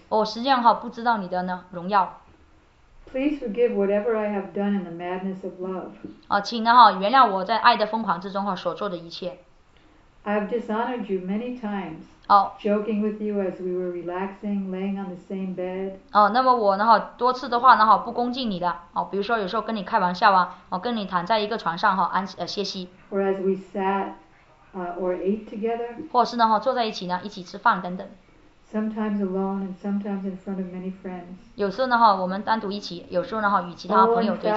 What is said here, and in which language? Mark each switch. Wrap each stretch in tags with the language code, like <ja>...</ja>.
<zh>我实际上不知道你的呢荣耀。</zh> <en>Please forgive whatever I have done in the madness of love。</en> <zh>请呢原谅我在爱的疯狂之中所做的一切。</zh> <en>I have dishonored you many times。 Joking with you as we were relaxing, laying on the same bed。</en> <zh>那么我呢多次的话呢不恭敬你的比如说有时候跟你开玩笑跟你躺在一个床上安歇息。</zh> <en>Or as we sat。 Or ate together.</en> <zh>或是呢，坐在一起呢，一起吃饭等等。</zh> <en>Sometimes alone and sometimes in front of many friends.</en> <zh>有时候呢，我们单独一起；有时候呢，与其他朋友对齐。</zh>